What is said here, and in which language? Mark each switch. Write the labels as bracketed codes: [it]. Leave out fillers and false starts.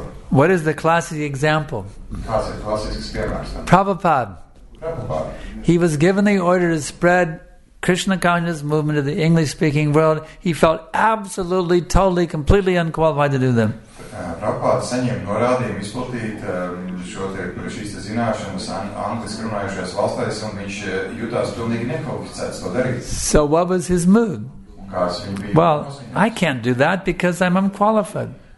[en] What is the classic example? Prabhupada. He was given the order to spread Krishna consciousness movement of the English-speaking world. He felt absolutely, totally, completely unqualified to do them. [lv] Prabhupāda saņem norādījumu izplatīt šīs zināšanas angliski runājušajās valstīs, un viņš jūtās pilnīgi nekvalificēts to darīt. [en] So what was his mood? Well, I can't do that because I'm unqualified.